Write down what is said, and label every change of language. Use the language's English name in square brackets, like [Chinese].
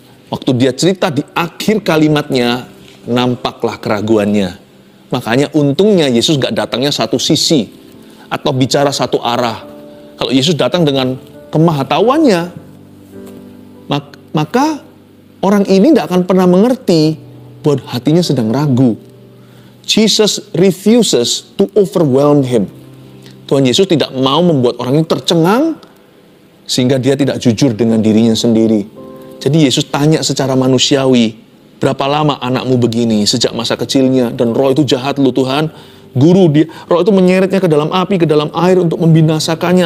[Indonesian] Waktu dia cerita, di akhir kalimatnya nampaklah keraguannya. Makanya untungnya Yesus gak datangnya satu sisi atau bicara satu arah. Kalau Yesus datang dengan kemahatahuannya, maka orang ini gak akan pernah mengerti buat hatinya sedang ragu. [English] Jesus refuses to overwhelm him. [Indonesian] Tuhan Yesus tidak mau membuat orang ini tercengang sehingga dia tidak jujur dengan dirinya sendiri. Jadi Yesus tanya secara manusiawi, berapa lama anakmu begini sejak masa kecilnya? Dan roh itu jahat lu Tuhan. Guru dia, roh itu menyeretnya ke dalam api, ke dalam air untuk membinasakannya.